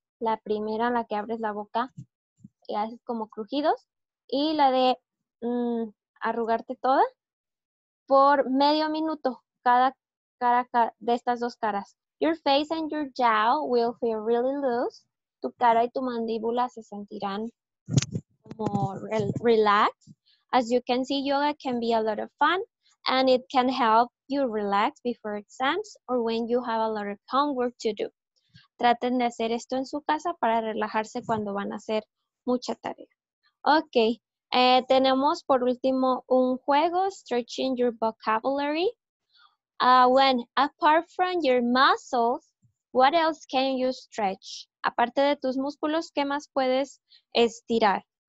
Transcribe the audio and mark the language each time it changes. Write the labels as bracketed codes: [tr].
[es] La primera, la que abres la boca y haces como crujidos. Y la de arrugarte toda por medio minuto. Cada cara de estas dos caras. [en] Your face and your jaw will feel really loose. [es] Tu cara y tu mandíbula se sentirán como [en] relaxed. As you can see, yoga can be a lot of fun and it can help you relax before exams or when you have a lot of homework to do. [es] Traten de hacer esto en su casa para relajarse cuando van a hacer mucha tarea. Okay, tenemos por último un juego, [en] stretching your vocabulary. When apart from your muscles, what else can you stretch? [es] Aparte de tus músculos, ¿qué más puedes estirar?